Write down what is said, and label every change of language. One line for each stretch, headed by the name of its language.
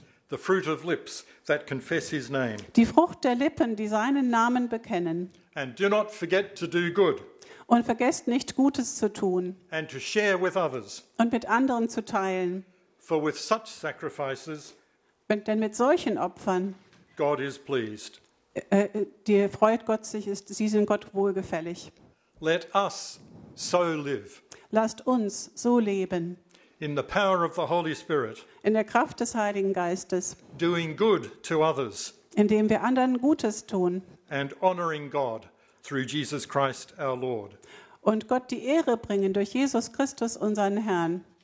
English: the fruit of lips that confess his name,
German: die Frucht der Lippen, die seinen Namen bekennen,
English: and do not forget to do good,
German: und vergesst nicht, Gutes zu tun,
English: and to share with others,
German: und mit anderen zu teilen,
English: for with such sacrifices,
German: denn mit solchen Opfern,
English: God is pleased,
German: dir freut Gott sich, sie sind Gott wohlgefällig.
English: Let us so live,
German: lasst uns so leben,
English: in the power of the Holy Spirit,
German: in der Kraft des Heiligen Geistes,
English: doing good to others,
German: indem wir anderen Gutes tun,
English: and honoring God through Jesus Christ our Lord,
German: und Gott die Ehre bringen durch Jesus Christus unseren Herrn.